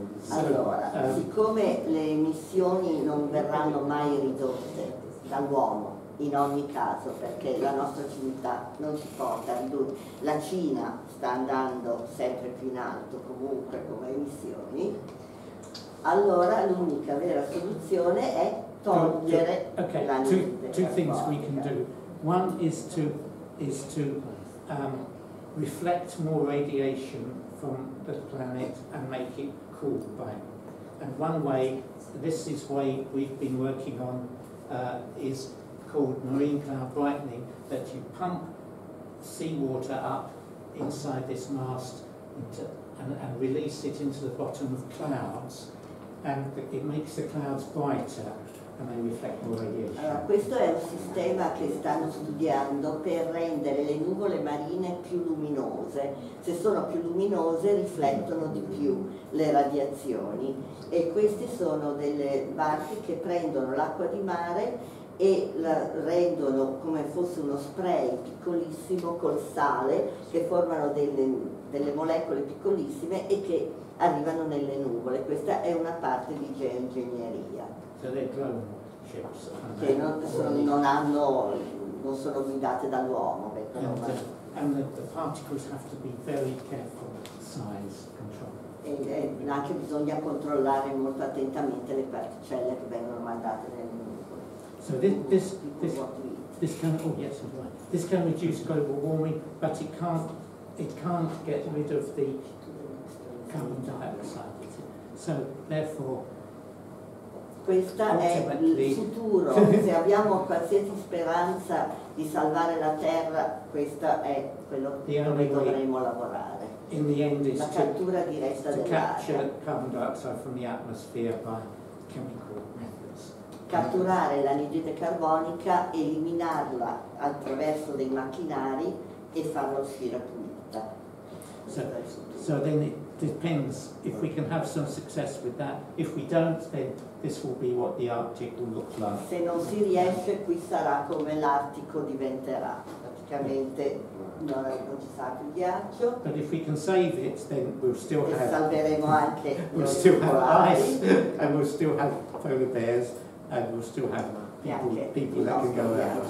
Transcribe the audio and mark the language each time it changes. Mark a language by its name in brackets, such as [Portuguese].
[Italian] Allora, siccome le emissioni non verranno mai ridotte dall'uomo, in ogni caso, perché la nostra civiltà non ci porta a ridurre, la Cina sta andando sempre più in alto comunque come emissioni, allora l'unica vera soluzione è togliere la nube. [English] Two things we can do. One is to reflect more radiation from the planet and make it cool by. And one way, this is way we've been working on, is called marine cloud brightening, that you pump seawater up inside this mast and release it into the bottom of clouds, and it makes the clouds brighter. [Italian] Allora, questo è un sistema che stanno studiando per rendere le nuvole marine più luminose. Se sono più luminose riflettono di più le radiazioni e queste sono delle barche che prendono l'acqua di mare e la rendono come fosse uno spray piccolissimo col sale che formano delle molecole piccolissime e che arrivano nelle nuvole. Questa è una parte di geoingegneria. Che non sono guidate dall'uomo. [English] And the particles have to be very careful size control. [Italian] E anche bisogna controllare molto attentamente le particelle che vengono mandate nel mondo. [English] So this can reduce global warming, but it can't get rid of the carbon dioxide. So therefore. [Italian] Questa è il futuro, se abbiamo qualsiasi speranza di salvare la Terra, questa è quello che dovremmo lavorare. [English] In the end is [Italian] la cattura diretta dell'aria. [English] To capture carbon dioxide from the atmosphere by chemical methods. [Italian] catturare l'anidride carbonica, eliminarla attraverso dei macchinari e farla uscire pulita. [English] So then it depends if we can have some success with that. If we don't, then this will be what the Arctic will look like. [Italian] Se non si riesce, qui sarà come l'Artico diventerà. Praticamente non ci sarà più ghiaccio. [English] But if we can save it, then we'll still [Italian] e [English] have. [Italian] Salveremo anche. [English] We'll still have ice, and we'll still have polar bears, and we'll still have people that can go out.